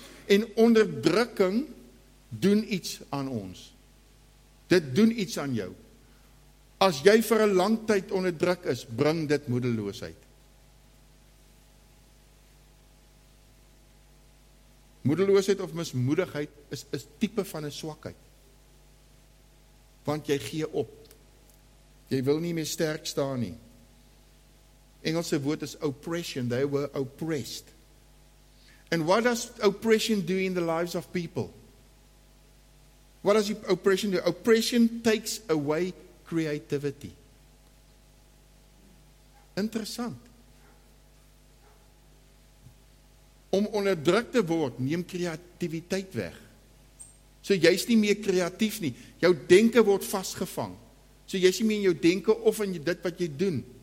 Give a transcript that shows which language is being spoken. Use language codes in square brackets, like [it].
[af] En onderdrukking doen iets aan ons. Dit doen iets aan jou. As jy vir 'n lang tyd onderdruk is, bring dit moedeloosheid. Moedeloosheid of mismoedigheid is tipe van 'n swakheid. Want jy gee op. Jy wil nie meer sterk staan nie. Engelse woord is oppression. [en] They were oppressed. And what does oppression do in the lives of people? What does oppression do? Oppression takes away creativity. [af] Interessant. Om onderdruk te word, neem kreativiteit weg. So jy is nie meer kreatief nie. Jou denke word vastgevang. So jy is nie meer in jou denke of in dit wat jy doen.